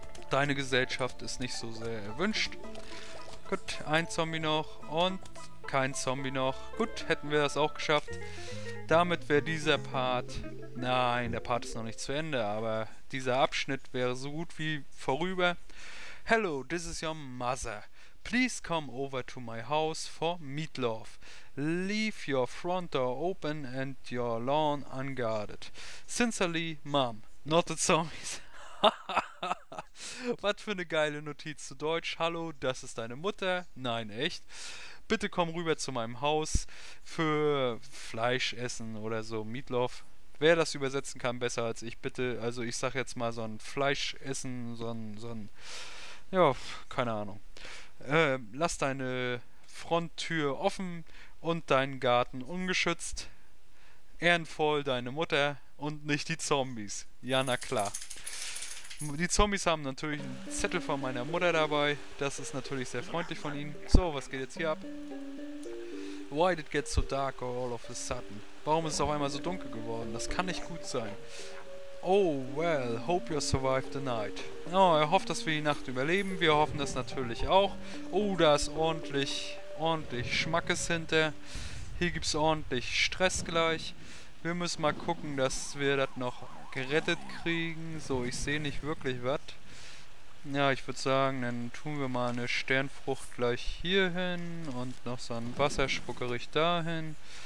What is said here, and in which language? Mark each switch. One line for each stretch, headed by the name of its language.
German: Deine Gesellschaft ist nicht so sehr erwünscht. Gut, ein Zombie noch. Und kein Zombie noch. Gut, hätten wir das auch geschafft. Damit wäre dieser Part... Nein, der Part ist noch nicht zu Ende. Aber dieser Abschnitt wäre so gut wie vorüber.
English: Hello, this is your mother. Please come over to my house for meatloaf. Leave your front door open and your lawn unguarded. Sincerely, Mom. Not the zombies.
German: Was für eine geile Notiz zu Deutsch. Hallo, das ist deine Mutter. Nein, echt. Bitte komm rüber zu meinem Haus für Fleisch essen oder so. Meatloaf. Wer das übersetzen kann, besser als ich, bitte. Also ich sag jetzt mal so ein Fleisch essen, so ein... Ja, keine Ahnung. Lass deine Fronttür offen und deinen Garten ungeschützt. Ehrenvoll deine Mutter und nicht die Zombies. Ja, na klar. Die Zombies haben natürlich einen Zettel von meiner Mutter dabei. Das ist natürlich sehr freundlich von ihnen. So, was geht jetzt hier ab?
English: Why did it get so dark all of a sudden?
German: Warum ist es auf einmal so dunkel geworden? Das kann nicht gut sein.
English: Oh, well, hope you survived the night.
German: Oh, er hofft, dass wir die Nacht überleben. Wir hoffen das natürlich auch. Oh, da ist ordentlich Schmackes hinter. Hier gibt's ordentlich Stress gleich. Wir müssen mal gucken, dass wir das noch gerettet kriegen. So, ich sehe nicht wirklich was. Ja, ich würde sagen, dann tun wir mal eine Sternfrucht gleich hier hin und noch so ein Wasserspuckerich dahin.